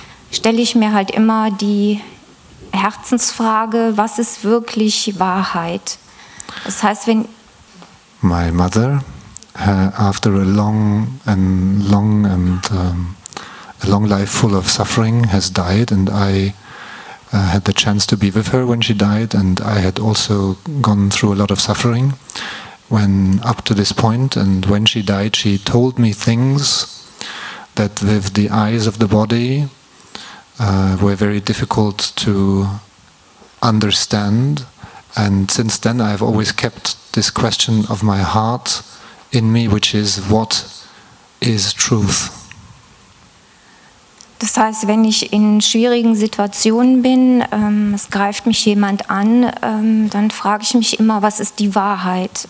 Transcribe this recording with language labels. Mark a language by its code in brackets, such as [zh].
[de] stelle ich mir halt immer die Herzensfrage, was ist wirklich Wahrheit? Das heißt, wenn [en] my mother, after a long life full of suffering, has died, and I had the chance to be with her when she died, and I had also gone through a lot of suffering when up to this point. And when she died, she told me things that, with the eyes of the body, were very difficult to understand. And since then, I've always kept this question of my heart in me, which is, what is truth? [de] Das heißt, wenn ich in schwierigen Situationen bin, es greift mich jemand an, dann frage ich mich immer, was ist die Wahrheit?